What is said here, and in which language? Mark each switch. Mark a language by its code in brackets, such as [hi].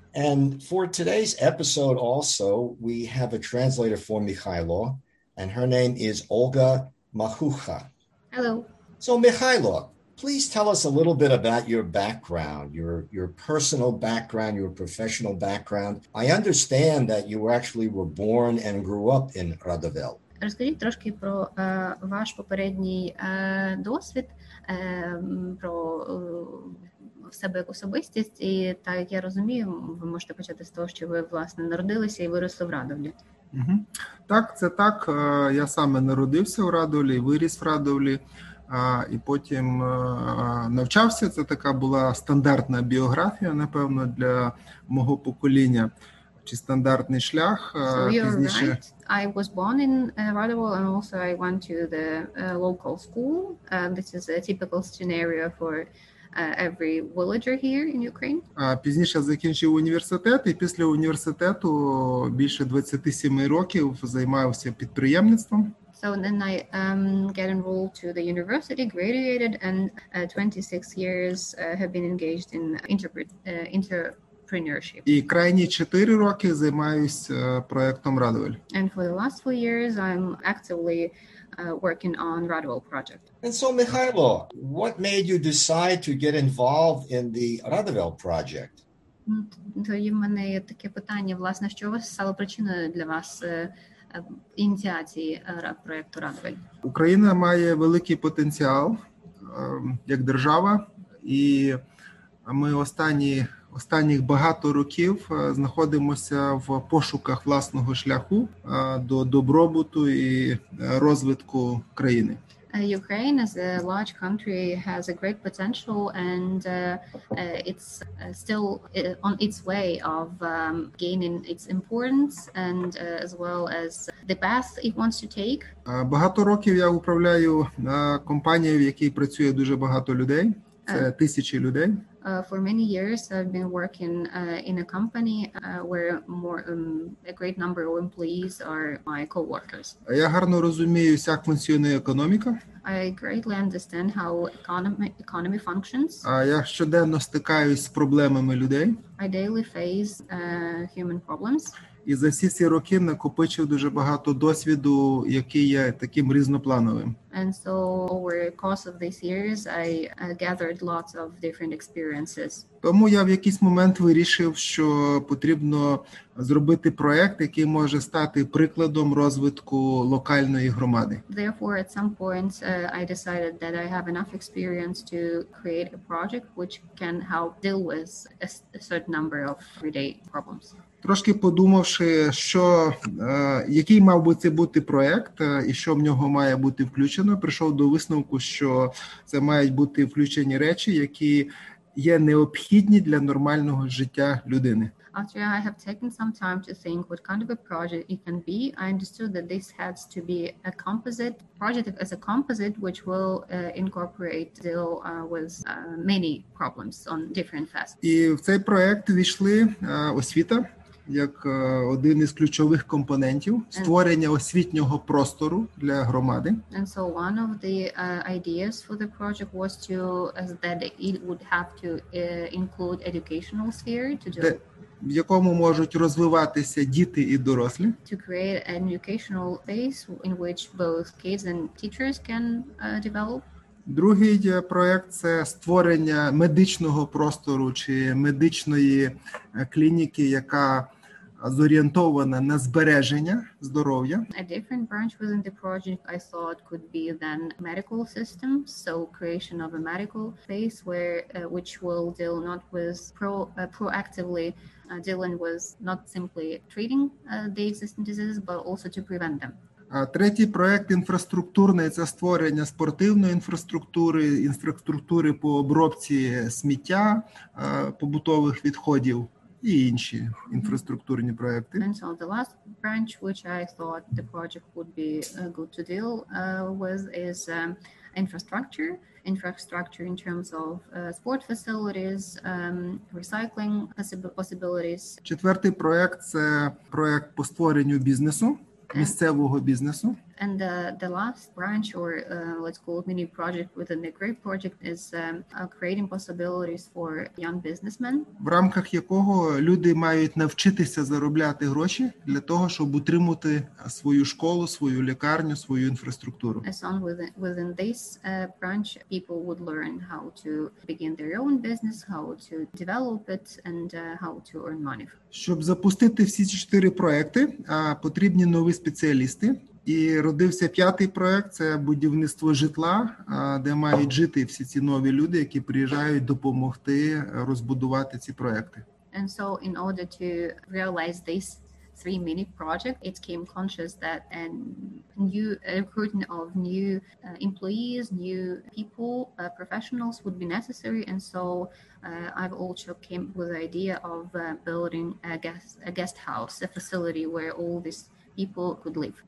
[en] And for today's episode, also, we have a translator for Mykhailo, and her name is Olga Makhucha. Hello. So, Mykhailo, please tell us a little bit about your background, your personal background, your professional background. I understand that you actually were born and grew up in Radovel. [uk] Розкажіть трошки про ваш попередній досвід, про себе як особистість, і так я розумію, ви можете почати з того, що ви, власне, народилися і виросли в Радовлі. Так, це так. Я саме народився в Радовлі, виріс в Радовлі. І потім навчався. Це така була стандартна біографія, напевно, для мого покоління, чи стандартний шлях. [en] So you're [uk] Пізніше. [en] right. I was born in Radovel and also I went to the local school. This is a typical scenario for every villager here in Ukraine. [uk] Пізніше закінчив університет, і після університету більше 27 років займався підприємництвом. [en] So then I get enrolled to the university, graduated, and 26 years have been engaged in entrepreneurship. [uk] І крайні 4 роки займаюся проектом Радовель. [en] And for the last 4 years, I'm actively working on Radovel project. And so, Mykhailo, what made you decide to get involved in the Radovel project? [uk] Тоді в мене таке питання, власне, що вас стало причиною для вас ініціації проекту Радвель? Україна має великий потенціал як держава, і ми останніх багато років знаходимося в пошуках власного шляху до добробуту і розвитку країни. [en] Ukraine as a large country has a great potential and it's still on its way of gaining its importance and as well as the path it wants to take. [uk] Багато років я управляю компанією, в якій працює дуже багато людей. Це тисячі людей. [en] For many years I've been working in a company where a great number of employees are my co-workers. [uk] Я гарно розуміюся, як функціонує економіка. [en] I greatly understand how economy functions. [uk] А я щоденно стикаюсь з проблемами людей. [en] I daily face human problems. [uk] І за всі ці роки накопичив дуже багато досвіду, який є таким різноплановим. [en] And so over the course of these years, I gathered lots of different experiences. [uk] Тому я в якийсь момент вирішив, що потрібно зробити проект, який може стати прикладом розвитку локальної громади. [en] Therefore, at some point, I decided that I have enough experience to create a project which can help deal with a certain number of everyday problems. [uk] Трошки подумавши, що який мав би це бути проект, і що в нього має бути включено, прийшов до висновку, що це мають бути включені речі, які є необхідні для нормального життя людини. [en] After I have taken some time to think what kind of a project it can be, I understood that this has to be a composite project as a composite which will incorporate deal with many problems on different facets. [uk] І в цей проект увійшли освіта як один із ключових компонентів створення освітнього простору для громади. [en] And so one of the ideas for the project was to as that it would have to include educational sphere to do. [uk] В якому можуть розвиватися діти і дорослі. [en] To create an educational space in which both kids and teachers can develop. [uk] Другий проект це створення медичного простору чи медичної клініки, яка зорієнтована на збереження здоров'я. [en] A different branch within the project I thought could be then medical system, so creation of a medical space where which will deal not with proactively dealing with not simply treating the existing diseases, but also to prevent them. [uk] Третій проект інфраструктурний – це створення спортивної інфраструктури, інфраструктури по обробці сміття, побутових відходів і інші інфраструктурні проекти. [en] And so the last branch, which I thought the project would be good to deal with, is infrastructure. Infrastructure in terms of sport facilities, recycling possibilities. [uk] Четвертий проект – це проект по створенню бізнесу. Місцевого бізнесу. [en] And the last branch, or let's call it mini project within the great project, is creating possibilities for young businessmen. [uk] В рамках якого люди мають навчитися заробляти гроші для того, щоб утримувати свою школу, свою лікарню, свою інфраструктуру. [en] And so within this branch, people would learn how to begin their own business, how to develop it, and how to earn money. [uk] Щоб запустити всі ці чотири проекти, потрібні нові спеціалісти. І родився п'ятий проект – це будівництво житла, де мають жити всі ці нові люди, які приїжджають допомогти розбудувати ці проекти. [en] And so in order to realize this three mini project, it came conscious that a new recruiting of new employees, new people, professionals would be necessary, and so I've also came with the idea of building a guest house, a facility where all these people could live.